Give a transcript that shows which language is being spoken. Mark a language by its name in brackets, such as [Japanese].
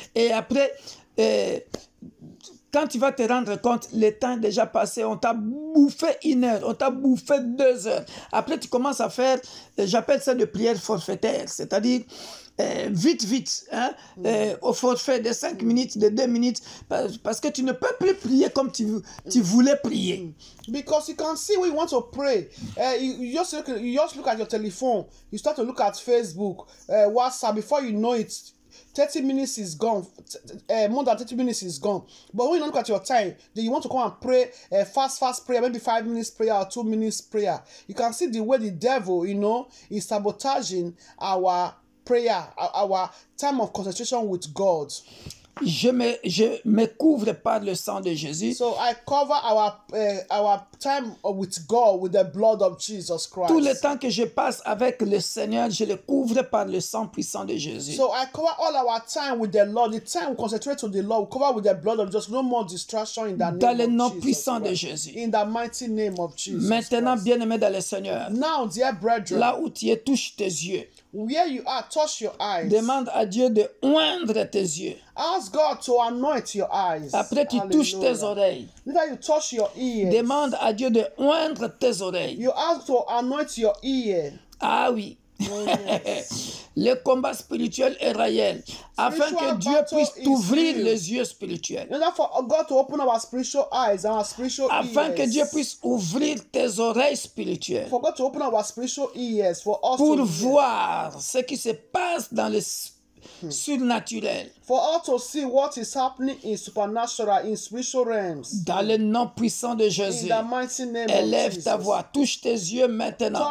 [French] Et après, quand tu vas te rendre compte, le temps est déjà passé, on t'a bouffé une heure, on t'a bouffé deux heures. Après, tu commences à faire, j'appelle ça de prière forfaitaire, c'est-à-dire vite, au forfait de 5 minutes, de 2 minutes, parce que tu ne peux plus prier comme tu voulais prier. [English] Because you can see we want to pray. You just look at your telephone, you start to look at Facebook, WhatsApp, before you know it, 30 minutes is gone, more than 30 minutes is gone. But when you look at your time, then you want to come and pray, fast prayer, maybe 5 minutes prayer or 2 minutes prayer. You can see the way the devil, you know, is sabotaging our prayer, our time of concentration with God. [French] Je me couvre par le sang de Jésus. [English] So I cover our time with God with the blood of Jesus Christ. [French] Tout le temps que je passe avec le Seigneur, je le couvre par le sang puissant de Jésus. [English] So I cover all our time with the Lord. The time we concentrate to the Lord, we cover with the blood of Jesus. No more distraction in the name of Jesus. [French] Dans le nom puissant de Jésus. [English] In the mighty name of Jesus. [French] Maintenant, bien-aimé dans le Seigneur. [English] Now, dear brethren. [French] Là où tu es, touche tes yeux. [English] Where you are, touch your eyes. [French] Demande à Dieu de oindre tes yeux. [English] Ask God to anoint your eyes. [French] Après, tu touches tes oreilles. [English] Then you touch your ears. [French] Demande à Dieu de oindre tes oreilles. [English] You ask to anoint your ear. [French] Ah oui. [English] Yes. [French] Le combat spirituel est réel. Afin que Dieu puisse t'ouvrir les yeux spirituels. [English] In order for God to open our spiritual eyes and our spiritual ears. [French] Afin que Dieu puisse ouvrir tes oreilles spirituelles. [English] For God to open our spiritual ears for us. [French] Pour voir ce qui se passe dans le surnaturel. [English] For us to see what is happening in supernatural, in spiritual realms. [French] Dans le nom puissant de Jésus. [English] In the mighty name of Jesus. [French] Élève ta voix, touche tes yeux maintenant.